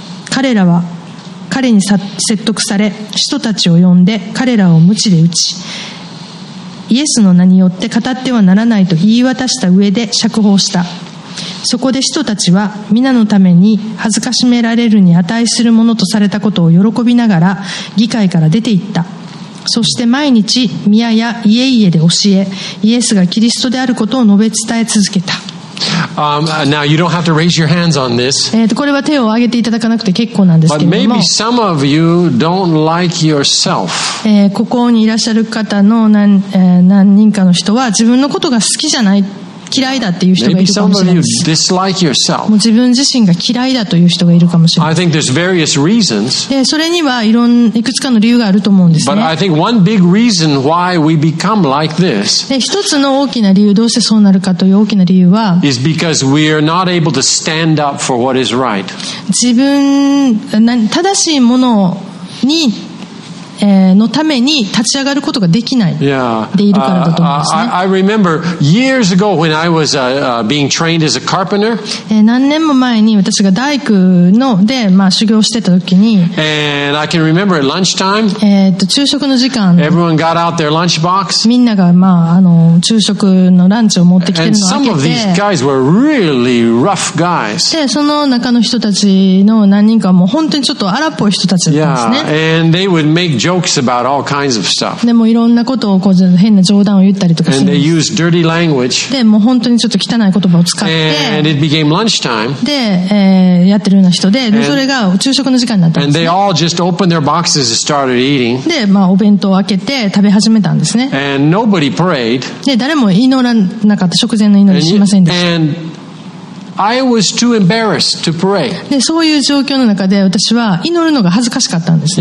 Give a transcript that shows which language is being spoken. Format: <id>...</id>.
<ja>彼らは彼に説得され使徒たちを呼んで彼らを鞭で打ちイエスの名によって語ってはならないと言い渡した上で釈放した。そこで使徒たちは皆のために恥ずかしめられるに値するものとされたことを喜びながら議会から出て行った。そして毎日宮や家々で教えイエスがキリストであることを述べ伝え続けた。</ja> <en>Now you don't have to raise your hands on this.</en> <ja>これは手を挙げていただかなくて結構なんですけども。</ja> <en>But maybe some of you don't like yourself.</en> <ja>ここにいらっしゃる方の 何人かの人は自分のことが好きじゃない、嫌いだっていう人がいるかもしれない。</ja> <en>Maybe some of you dislike yourself.</en> <ja>もう自分自身が嫌いだという人がいるかもしれない。</ja> <en>I think there's various reasons.</en> <ja>それにはいくつかの理由があると思うんですね。</ja> <en>But I think one big reason why we become like this.</en> <ja>一つの大きな理由、どうしてそうなるかという大きな理由は、</ja> <en>is because we are not able to stand up for what is right.</en> <ja>自分、正しいものに、のために立ち上がることができないでいるからだと思うんですね。</ja> <en>I remember years ago when I was being trained as a carpenter.</en> <ja>何年も前に私が大工のでまあ修行してた時に、</ja> <en>and I can remember at lunchtime.</en> <ja>昼食の時間、</ja> <en>everyone got out their lunchbox.</en> <ja>みんながまああの昼食のランチを持ってきてるのを開けて、</ja> <en>and some of these guys were really rough guys.</en> <ja>でその中の人たちの何人かも本当にちょっと荒っぽい人たちだったんですね。</ja> <en>Yeah, and they would make jokes about all kinds of stuff.</en> <ja>でもいろんなことをこう変な冗談を言ったりとかします。</ja> <en>And they use dirty language.</en> <ja>でも本当にちょっと汚い言葉を使って。</ja> <en>And it became lunchtime.</en> <ja>で、やってるような人で、それが昼食の時間になったんですね。</ja> <en>And they all just opened their boxes and started eating.</en> <ja>で、まあお弁当を開けて食べ始めたんですね。</ja> <en>And nobody prayed.</en> <ja>で、誰も祈らなかった、食前の祈りしませんでした。</ja> <en>And I was too embarrassed to pray.</en> <ja>で、そういう状況の中で私は祈るのが恥ずかしかったんです</ja>